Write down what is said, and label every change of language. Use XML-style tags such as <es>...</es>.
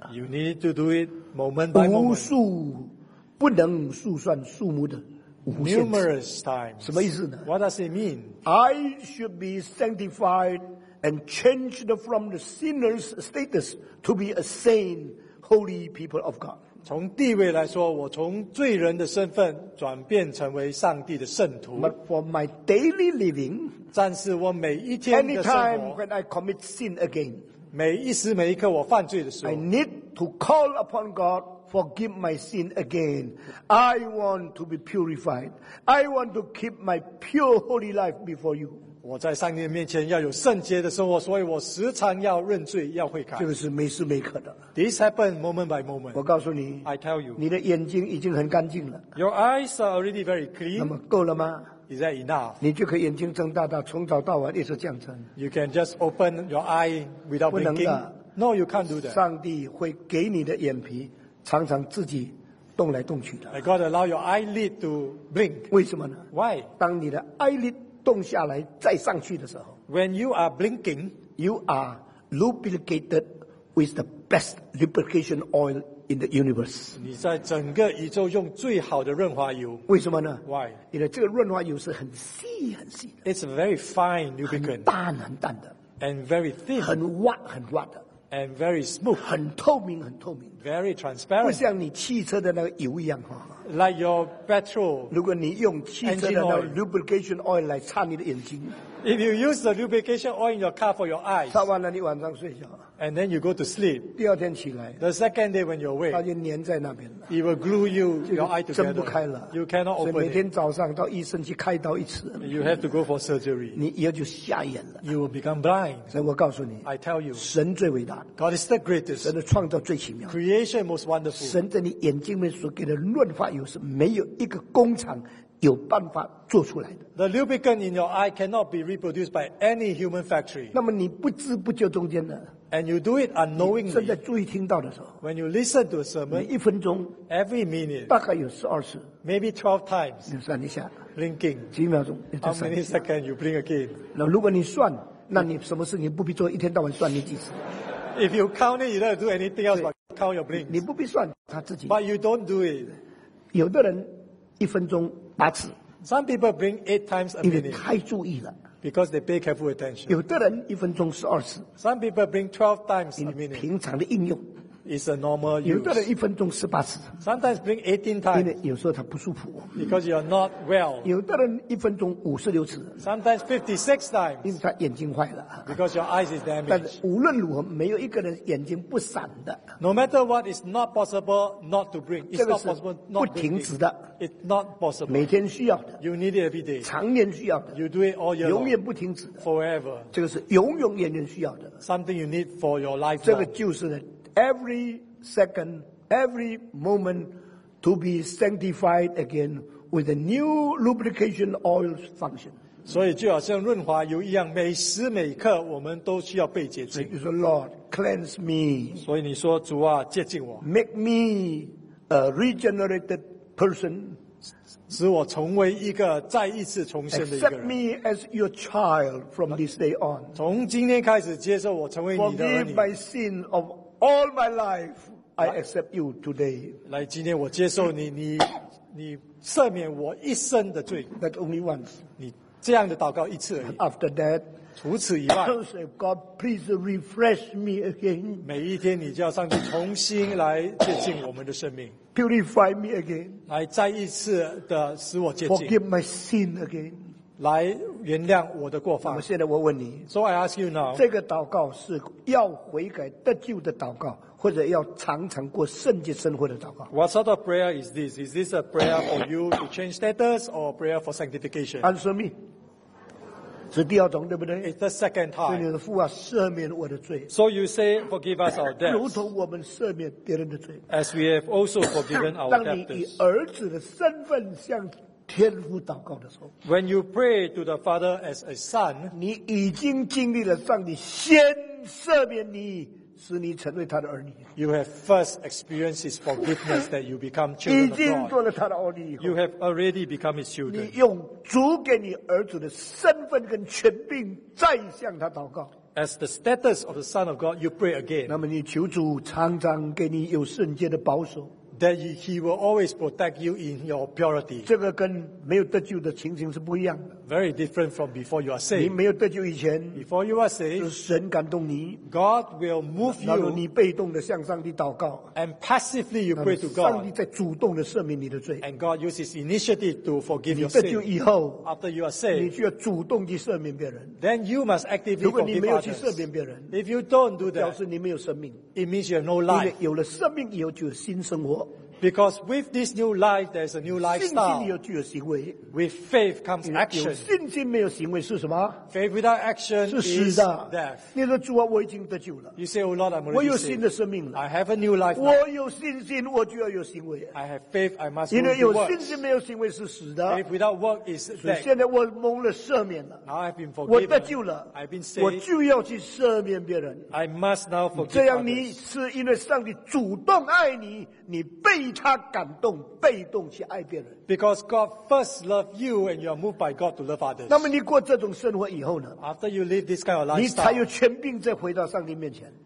<en>You need to do it moment by moment.</en> <zh>无数不能数算数目的。</zh> <en>Numerous times.</en> <zh>什么意思呢</zh> <en>What does it mean? I should be sanctified and changed from the sinner's status to be a saint, holy people of God.</en> <zh>从地位来说，我从罪人的身份转变成为上帝的圣徒。</zh> <en>But for my daily living,</en> <zh>但是我每一天的生活</zh> <en>Anytime when I commit sin again, 每一时每一刻我犯罪的时候 I need to call upon God forgive my sin again. I want to be purified. I want to keep my pure holy life before you.</en> <zh>我在上帝面前要有圣洁的生活，所以我时常要认罪，要悔改。这个是每时每刻的。</zh> <en>This happens moment by moment.</en> <zh>我告诉你</zh> <en>I tell you,</en> <zh>你的眼睛已经很干净了。</zh> <en>Your eyes are already very clean.</en> <zh>那么够了吗？</zh> <en>Is that enough?</en> <zh>你就可以眼睛睁大大，从早到晚一直这样睁。</zh> <en>You can just open your eye without blinking. No, you can't do that.</en> <zh>上帝会给你的眼皮常常自己动来动去的。</zh> <en>I got to allow your eyelid to blink.</en> <zh>为什么呢</zh> <en>？Why?</en> <zh>当你的 eyelid 动下来再上去的时候</zh> <en>，When you are blinking, you are lubricated with the best lubrication oil in the universe.</en> <zh>你在整个宇宙用最好的润滑油。为什么呢</zh> <en>？Why?</en> <zh>你的这个润滑油是很细很细的。</zh> <en>It's a very fine lubricant.</en> <zh>很淡很淡的。</zh> <en>And very thin.</en> <zh>很滑很滑的。</zh> <en>And very smooth.</en> <zh>很透明很透明。</zh> <en>Very transparent.</en> <zh>不像你汽车的那个油一样。</zh> <en>Like your petrol.</en> <zh>如果你用汽车的那个 lubrication oil 来擦你的眼睛。</zh> <en>If you use the lubrication oil in your car for your eyes.</en> <zh>擦完了你晚上睡觉。</zh> <en>And then you go to sleep.</en> <zh>第二天起来。</zh> <en>The second day when you're awake.</en> <zh>它就粘在那边了。</zh> <en>It will glue you, your eye together.</en> <zh>睁不开了。</zh> <en>You cannot open it.</en> <zh>所以每天早上到医生去开刀一次。</zh> <en>You have to go for surgery.</en> <zh>你以后就瞎眼了。</zh> <en>You will become blind.</en> <zh>所以我告诉你。</zh> <en>I tell you.</en> <zh>神最伟大。</zh> <en>God is the greatest.</en> <zh>神的创造最奇妙。</zh> <en>Creation most wonderful.</en> <zh>神在你眼睛里面所给的润滑油是没有一个工厂有办法做出来的。</zh> <en>The lubricant in your eye cannot be reproduced by any human factory.</en> <zh>那么你不知不觉中间呢？</zh> <en>And you do it unknowingly.</en> <zh>正在注意听到的时候</zh> <en>，When you listen to a sermon,</en> <zh>每一分钟</zh> <en>，Every minute,</en> <zh>大概有十二次</zh> <en>，Maybe 12 times.</en> <zh>你算一下</zh> <en>，Blinking</en> <zh>几秒钟</zh> <en>，How many seconds you blink again?</en> <zh>那如果你算，那你什么事你不必做，一天到晚算你几次</zh> <en>？If you count it, you don't do anything else but count your blinks.</en> <zh>你不必算他自己</zh> <en>，But you don't do it.</en> <zh>有的人一分钟八次</zh> <en>，Some people blink eight times a minute.</en> <zh>因为太注意了。</zh> <en>Because they pay careful attention.</en> <zh>有的人一分钟十二次。</zh> <en>Some people bring 12 times a minute.</en> <zh>平常的应用。</zh> <en>It's a normal use.</en> <zh>有的人一分钟十八次。</zh> <en>Sometimes bring 18 times.</en> <zh>因为有时候他不舒服。</zh> <en>Because you're not well.</en> <zh>有的人一分钟五十六次。</zh> <en>Sometimes 56 times.</en> <zh>因为他眼睛坏了。</zh> <en>Because your eyes is damaged.</en> <zh>但是无论如何，没有一个人眼睛不闪的。</zh> <en>No matter what, it's not possible not to bring. It's not possible not to bring.</en> <zh>不停止的。</zh> <en>It's not possible.</en> <zh>每天需要的。</zh> <en>You need it every day.</en> <zh>常年需要的。</zh> <en>You do it all year long.</en> <zh>永远不停止的。</zh> <en>Forever.</en> <zh>这个是永永远远需要的。</zh> <en>Something you need for your life.</en> <zh>这个就是</zh> <en>every second, every moment to be sanctified again with a new lubrication oil function.</en> <zh>所以就好像润滑油一样，每时每刻我们都需要被洁净。</zh> <en>You say, Lord, cleanse me.</en> <zh>所以你说主啊，洁净我。</zh> <en>Make me a regenerated person,</en> <zh>使我成为一个再一次重生的一个人。</zh> <en>Accept me as your child from this day on.</en> <zh>从今天开始接受我成为你的儿女。</zh> <en>Forgive my sin of all my life. I accept you today.</en> <zh>来，今天我接受你，你赦免我一生的罪。</zh> <en>That only once.</en> <zh>你这样的祷告一次而已。</zh> <en>After that.</en> <zh>除此以外</zh> <en>God, please refresh me again.</en> <zh>每一天你就要上帝重新来洁净我们的生命。</zh> <en>Purify me again.</en> <zh>来再一次的使我洁净。</zh> <en>Forgive my sin again.</en> <zh>来原谅我的过犯。现在我问你</zh> <en>So I ask you now.</en> <zh>这个祷告是要悔改得救的祷告，或者要常常过圣洁生活的祷告？</zh> <en>What sort of prayer is this? Is this a prayer for you to change status or prayer for sanctification? Answer me.</en> <zh>是第二种，对不对</zh> <en>？It's the second time.</en> <zh>所以你的父啊，赦免我的罪。</zh> <en>So you say, forgive us our debts.</en> <zh>如同我们赦免别人的罪。</zh> <en>As we have also forgiven our debtors.</en> <zh>当你以儿子的身份向天父祷告的时候</zh> <en>，When you pray to the Father as a son,</en> <zh>你已经经历了上帝先赦免你，使你成为他的儿女。</zh> <en>You have first experienced his forgiveness that you become children of God.</en> <zh>已经做了他的儿女以后。</zh> <en>You have already become his children.</en> <zh>你用主给你儿子的身份跟权柄再向他祷告。</zh> <en>As the status of the Son of God, you pray again.</en> <zh>那么你求主常常给你有圣洁的保守。</zh> <en>that he will always protect you in your purity.</en> <zh>这个跟没有得救的情形是不一样的。</zh> <en>Very different from before you are saved.</en> <zh>你没有得救以前</zh> <en>，before you are saved，</en> <zh>就是神感动你</zh> <en>，God will move you。</en> <zh>然后你被动的向上帝祷告</zh> <en>，and passively you pray to God。</en> <zh>上帝在主动的赦免你的罪</zh> <en>，and God uses initiative to forgive your sin。</en> <zh>你得救以后</zh> <en>，after you are saved，</en> <zh>你就要主动去赦免别人。</zh> <en>Then you must actively forgive others。</en> <zh>如果你没有去赦免别人</zh> <en>，if you don't do that，</en> <zh>表示你没有生命</zh> <en>，it means you have no life。</en> <zh>有了生命以后，就有新生活。</zh> <en>Because with this new life, there's a new lifestyle. With faith comes action.</en> <zh>信心没有行为是什么？</zh> <en>Faith without action is death.</en> <zh>你说主啊，我已经得救了。</zh> <en>You say, Oh Lord, I'm already</en> <zh>saved. 我有新的生命了。</zh> <en>I have a new life.</en> <zh>我有信心，我就要有行为。</zh> <en>I have faith, I must.</en> <zh>因为有信心没有行为是死的。</zh> <en>Faith without work is dead.</en> <zh>所以现在我蒙了赦免了。</zh> <en>Now I've been forgiven.</en> <zh>我得救了。</zh> <en>I've been saved.</en> <zh>我就要去赦免别人。</zh> <en>I must now forgive.</en> <zh>这样你是因为上帝主动爱你，你被他感动，被动去爱别人。</zh> <en>Because God first loved you, and you are moved by God to love others.</en> <zh>那么你过这种生活以后呢</zh> <en>？After you live this kind of lifestyle,</en> <zh>你才有权柄再回到上帝面前。</zh>